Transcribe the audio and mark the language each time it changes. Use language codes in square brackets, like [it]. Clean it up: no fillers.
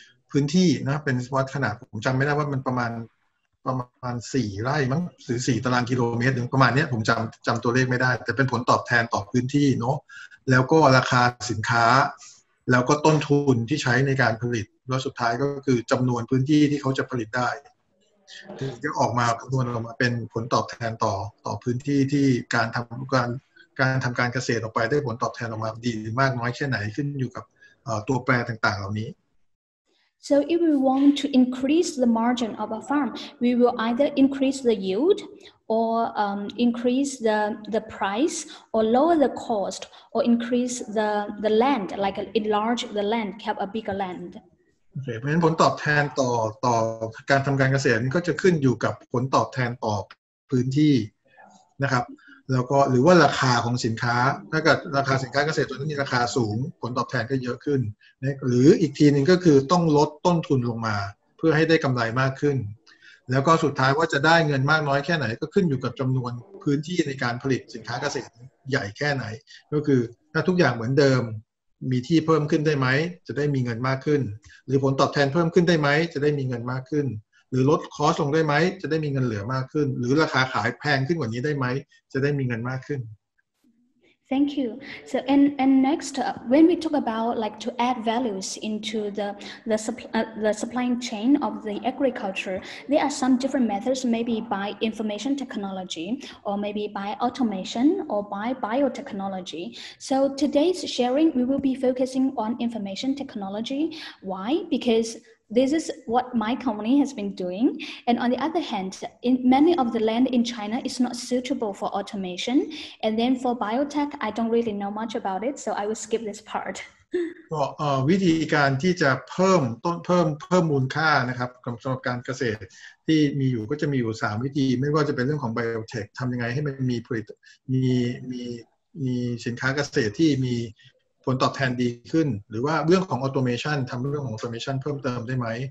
[th] พื้นที่นะเป็นวัดขนาดผมจำไม่ได้ว่ามันประมาณ4ไร่มั้งหรือ4ตารางกิโลเมตรหรือประมาณนี้ผมจำตัวเลขไม่ได้แต่เป็นผลตอบแทนต่อพื้นที่เนาะแล้วก็ราคาสินค้าแล้วก็ต้นทุนที่ใช้ในการผลิตแล้วสุดท้ายก็คือจำนวนพื้นที่ที่เขาจะผลิตได้ถึงจะออกมาคำนวณออกมาเป็นผลตอบแทนต่อพื้นที่ที่การทำการเกษตรออกไปได้ผลตอบแทนออกมาดีหรือมากน้อยแค่ไหนขึ้นอยู่กับตัวแปรต่างๆเหล่านี้ [en] So if we want to increase the margin of a farm, we will either increase the yield or increase the price or lower the cost or increase the land, like enlarge the land, have a bigger land. [th] เพราะฉะนั้นผลตอบแทนต่อการทำการเกษตรก็จะขึ้นอยู่กับผลตอบแทนต่อพื้นที่นะครับแล้วก็หรือว่าราคาของสินค้าถ้าเกิดราคาสินค้าเกษตรตัวนั้นมีราคาสูงผลตอบแทนก็เยอะขึ้นนะหรืออีกทีนึงก็คือต้องลดต้นทุนลงมาเพื่อให้ได้กำไรมากขึ้น แล้วก็สุดท้ายว่าจะได้เงินมากน้อยแค่ไหนก็ขึ้นอยู่กับจำนวนพื้นที่ในการผลิตสินค้าเกษตรใหญ่แค่ไหนก็คือถ้าทุกอย่างเหมือนเดิมมีที่เพิ่มขึ้นได้ไหมจะได้มีเงินมากขึ้นหรือผลตอบแทนเพิ่มขึ้นได้ไหมจะได้มีเงินมากขึ้นหรือลดคอสลงได้ไหมจะได้มีเงินเหลือมากขึ้นหรือราคาขายแพงขึ้นกว่านี้ได้ไหมจะได้มีเงินมากขึ้น [en] Thank you. So and next when we talk about like to add values into the supply chain of the agriculture, there are some different methods, maybe by information technology or maybe by automation or by biotechnology. So today's sharing we will be focusing on information technology. Why? Becausethis is what my company has been doing. And on the other hand, in many of the land in China is not suitable for automation. And then for biotech, I don't really know much about it, so I will skip this part. [th] วิธีการที่จะเพิ่มมูลค่านะครับสำหรับการเกษตรที่มีอยู่ก็จะมีอยู่3วิธีไม่ว่าจะเป็นเรื่องของ biotech ทำยังไงให้มันมีผลิตมีสินค้าเกษตรที่มีผลตอบแทนดีขึ้นหรือว่าเรื่องของออโตเมชันทำเรื่องของออโตเมชันเพิ่มเติมได้ไหม